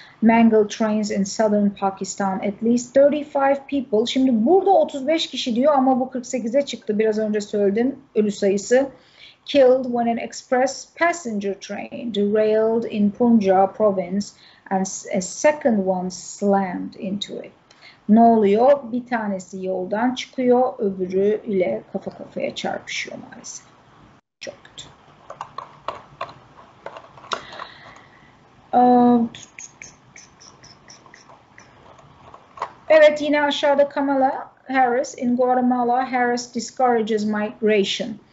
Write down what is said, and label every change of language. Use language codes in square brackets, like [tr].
[en] Mangled trains in southern Pakistan, at least 35 people. [tr] Şimdi burada 35 kişi diyor ama bu 48'e çıktı. Biraz önce söyledim ölü sayısı. [en] Killed when an express passenger train derailed in Punjab province and a second one slammed into it. [tr] Ne oluyor? Bir tanesi yoldan çıkıyor, öbürü ile kafa kafaya çarpışıyor maalesef. Çok evet, yine aşağıda [en] Kamala Harris in Guatemala, Harris discourages migration.